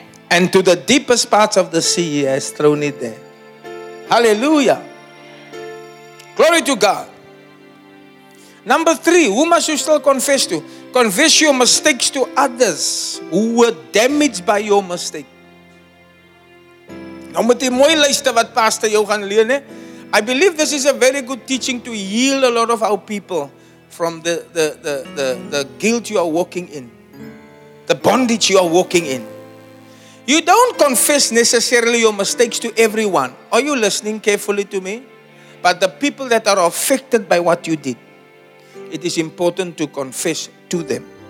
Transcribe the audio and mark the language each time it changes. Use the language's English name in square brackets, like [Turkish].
[English] And to the deepest parts of the sea, he has thrown it there. Hallelujah. Glory to God. Number three, who must you still confess to? Confess your mistakes to others who were damaged by your mistake. [Afrikaans] Nou moet jy mooi luister wat pastor jou gaan leer, né? [English] I believe this is a very good teaching to heal a lot of our people from the guilt you are walking in. The bondage you are walking in. You don't confess necessarily your mistakes to everyone. Are you listening carefully to me? But the people that are affected by what you did, it is important to confess to them.